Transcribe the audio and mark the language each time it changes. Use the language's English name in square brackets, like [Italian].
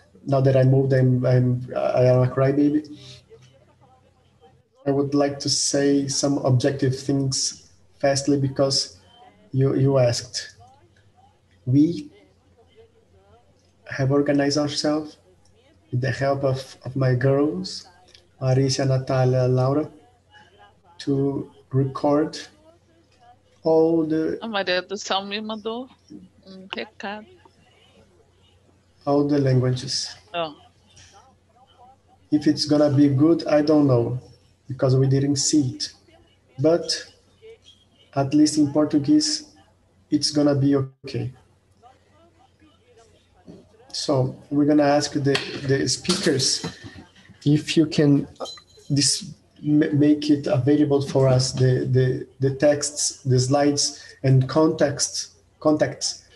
[English] Now that I moved, I am a crybaby. I would like to say some objective things fastly because you asked. We have organized ourselves with the help of my girls, Marisa, Natalia, Laura, to record all the... [Portuguese] A Maria do Céu me mandou um recado. [English] All the languages. Oh. If it's going to be good, I don't know, because we didn't see it. But at least in Portuguese, it's going to be okay. So we're going to ask the speakers if you can this make it available for us, the texts, the slides, and contacts.